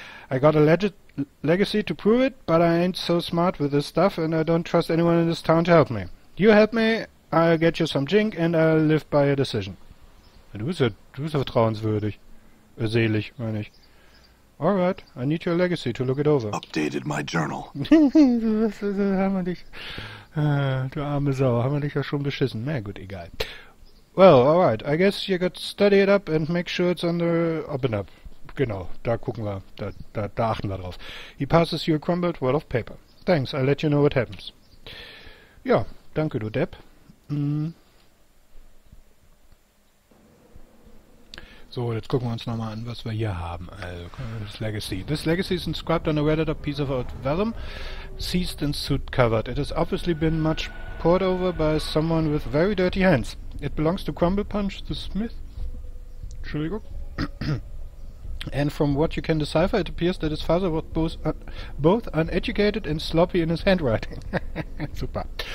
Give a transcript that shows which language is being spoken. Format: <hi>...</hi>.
<en>I got a legacy to prove it, but I ain't so smart with this stuff, and I don't trust anyone in this town to help me. You help me, I'll get you some gink, and I'll live by your decision.</en> <de>Du bist ja vertrauenswürdig. Selig, meine ich.</de> <en>All right, I need your legacy to look it over. Updated my journal.</en> <de>Du arme Sau, haben wir dich ja schon beschissen. Na gut, egal.</de> <en>Well, all right, I guess you got to study it up and make sure it's on the up and up.</en> <de>Genau, da gucken wir, da achten wir drauf.</de> <en>He passes you a crumbled roll of paper. Thanks, I'll let you know what happens.</en> <de>Ja, danke, du Depp. So, jetzt gucken wir uns nochmal an, was wir hier haben. Also, das Legacy.</de> <en>This legacy is inscribed on a weathered up piece of old vellum, seized and soot covered. It has obviously been much poured over by someone with very dirty hands. It belongs to Crumble Punch, the smith. Entschuldigung. And from what you can decipher, it appears that his father was both uneducated and sloppy in his handwriting. Super.</en>